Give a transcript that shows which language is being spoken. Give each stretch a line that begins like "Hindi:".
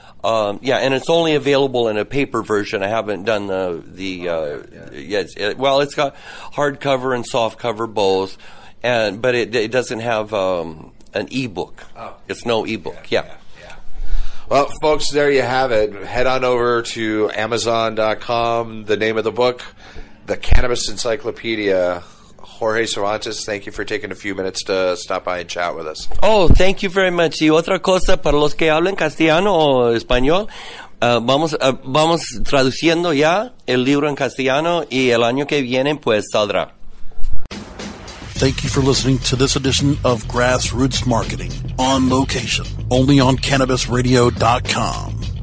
English: Yeah, and it's only available in a paper version. I haven't done well, it's got hardcover and softcover both, but it doesn't have an ebook. Oh. It's no ebook. Yeah. Well, folks, there you have it. Head on over to Amazon.com. The name of the book, The Cannabis Encyclopedia. Jorge Cervantes, thank you for taking a few minutes to stop by and chat with us. Oh, thank you very much.
Spanish: Y otra cosa, para los que hablan castellano o español, vamos traduciendo ya el libro en castellano y el año que viene pues saldrá.
English: Thank you for listening to this edition of Grassroots Marketing on location, only on CannabisRadio.com.